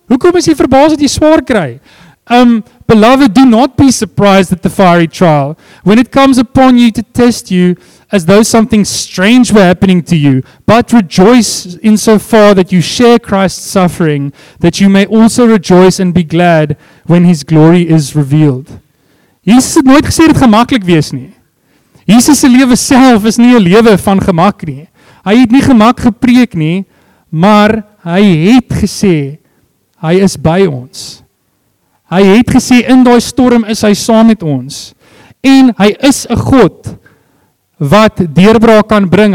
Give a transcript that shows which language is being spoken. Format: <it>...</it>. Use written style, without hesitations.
<af>Hoekom is jy verbaas dat jy swaar kry?</af> <en>Beloved, do not be surprised at the fiery trial when it comes upon you to test you as though something strange were happening to you, but rejoice in so far that you share Christ's suffering, that you may also rejoice and be glad when his glory is revealed.</en> <af>Jesus het nooit gesê dit gaan maklik wees nie. Jesus se lewe self is nie 'n lewe van gemak nie. Hy het nie gemak gepreek nie, maar hy het gesê hy is by ons. Hy het gesê in daai storm is hy saam met ons. En hy is 'n God wat deurbraak kan bring.</af>